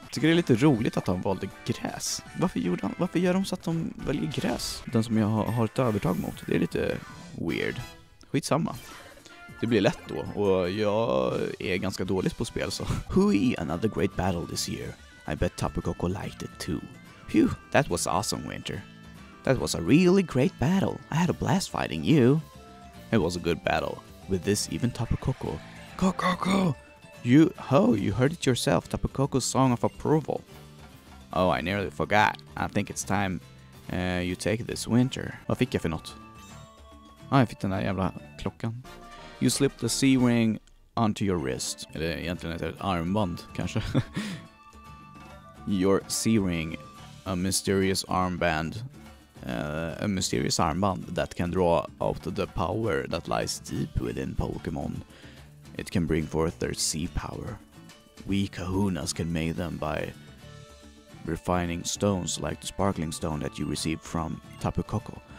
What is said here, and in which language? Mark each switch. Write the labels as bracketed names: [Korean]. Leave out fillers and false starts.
[Swedish] Tycker det är lite roligt att de valde gräs. Varför gör de så att de väljer gräs? Den som jag har ett övertag mot. Det är lite weird. Skitsamma. Det blir lätt då, och jag är ganska dåligt på spel, så. [English] Hui, another great battle this year. I bet Tapu Koko liked it too. Phew, that was awesome, Winter. That was a really great battle. I had a blast fighting you. It was a good battle. With this, even Tapu Koko. Koko! You heard it yourself. Tapu Koko's song of approval. Oh, I nearly forgot. I think it's time you take this, Winter. [Swedish] Vad fick jag för något? Ah, jag fick den där jävla klockan. [English] You slipped the C-ring onto your wrist. [Swedish] Eller egentligen ett armband, kanske. [English] Your C-ring, a mysterious armband. A mysterious armband that can draw out the power that lies deep within Pokémon. It can bring forth their sea power. We kahunas can make them by refining stones like the sparkling stone that you received from Tapu Koko.